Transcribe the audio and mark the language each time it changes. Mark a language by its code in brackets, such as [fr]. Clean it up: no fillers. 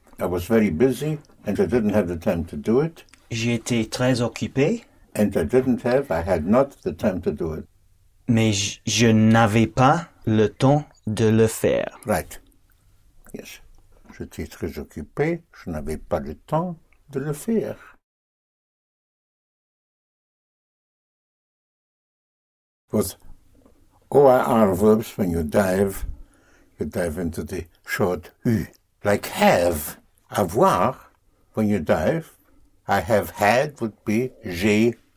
[en] I was very busy and I didn't have the time to do it. [fr] J'étais très occupé. [en] And I had not the time to do it. [fr] Mais je n'avais pas le temps de le faire. [en] Right. Yes. [fr] J'étais très occupé. Je n'avais pas le temps de le faire. [en] With OIR verbs, when you dive into the short U. Like have, avoir, when you dive, I have had would be j'ai